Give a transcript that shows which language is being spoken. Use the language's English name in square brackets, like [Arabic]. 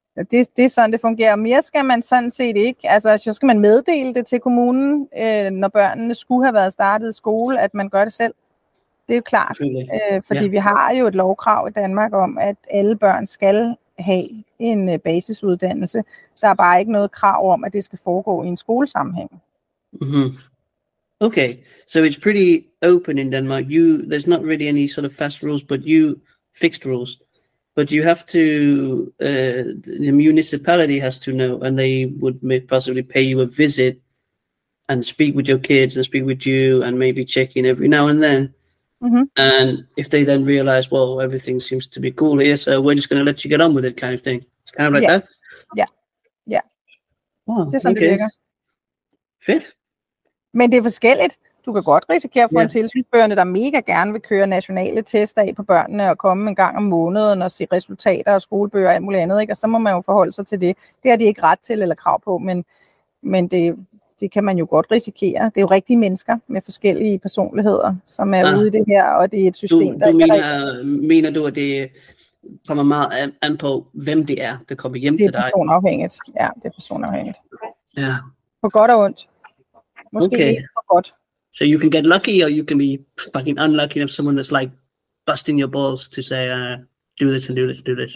[Danish] Det er sådan, det fungerer. Mere skal man sådan set ikke. Altså, så skal man meddele det til kommunen, når børnene skulle have været startet i skole, at man gør det selv. Det er jo klart. Fordi vi har jo et lovkrav i Danmark om, at alle børn skal have en basisuddannelse. Der er bare ikke noget krav om, at det skal foregå i en skolesammenhæng. Mm-hmm. [English] Okay, so it's pretty open in Denmark. There's not really any sort of fast rules, but you fixed rules. But you have to, the municipality has to know, and they would possibly pay you a visit and speak with your kids and speak with you and maybe check in every now and then. Mm-hmm. And if they then realize, well, everything seems to be cool here, so we're just going to let you get on with it kind of thing. It's kind of like that? Yeah. Wow, okay. [Danish] Fedt. Men det er forskelligt. Du kan godt risikere for en tilsynsførende, der mega gerne vil køre nationale tester af på børnene og komme en gang om måneden og se resultater og skolebøger og alt muligt andet. Ikke? Og så må man jo forholde sig til det. Det har de ikke ret til eller krav på, men det kan man jo godt risikere. Det er jo rigtige mennesker med forskellige personligheder, som er ude i det her, og det er et system, Mener du, at det kommer meget an på, hvem det er, der kommer hjem til dig? Det er personafhængigt. Ja, det er personafhængigt. Ja. På godt og ondt. Måske ikke på godt. [English] So you can get lucky, or you can be fucking unlucky of someone that's like busting your balls to say, do this and do this and do this.